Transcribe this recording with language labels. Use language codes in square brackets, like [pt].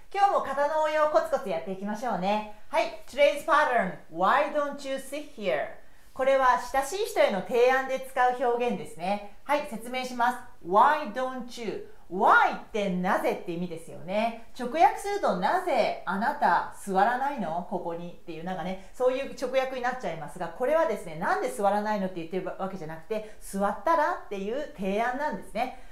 [ja] 今日も型の応用をコツコツやっていきましょうね。 [en] はい、Today's pattern, why don't you sit here? [ja] これは親しい人への提案で使う表現ですね。はい、説明します。 [en] Why don't you? [ja] Why ってなぜって意味ですよね。直訳するとなぜあなた座らないのここにっていうなんかね、そういう直訳になっちゃいますが、これはですね、なんで座らないのって言ってるわけじゃなくて、座ったらっていう提案なんですね。